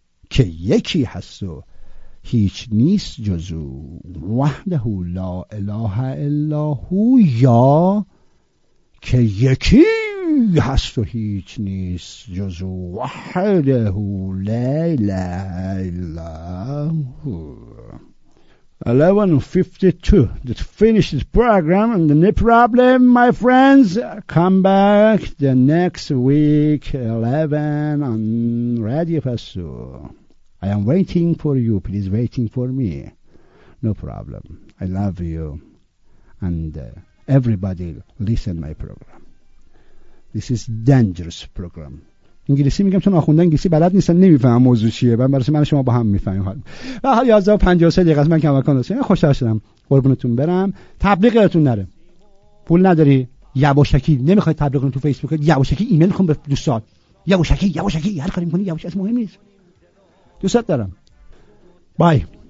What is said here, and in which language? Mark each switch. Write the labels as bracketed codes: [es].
[fa] که یکی هست و هیچ نیست جز او [ar] وحده لا اله الا هو، [fa] یا که یکی هست و هیچ نیست جز وحده لا اله الا هو. [en] 11:52 to finish this program and no problem my friends, come back the next week 11 on Radio Paso. I am waiting for you, please waiting for me, no problem. I love you and everybody listen my program. This is dangerous program. [fa] انگلیسی میگم چون آخونده انگلیسی بلد نیستن نمیفهم موضوع چیه، من برای من شما با هم میفهمیم. حال حال 11:53 دقیقه است، من کم مکان هستم، خوشحال شدم قربونتون برم. تبلیغاتون نره، پول نداری یواشکی، نمیخوای تبلیغ کنی تو فیسبوک یواشکی، ایمیل کن به دوستات یواشکی یواشکی، هر کاری میکنی یواشکی، اصلا مهم نیست، دوستات دارم. بای.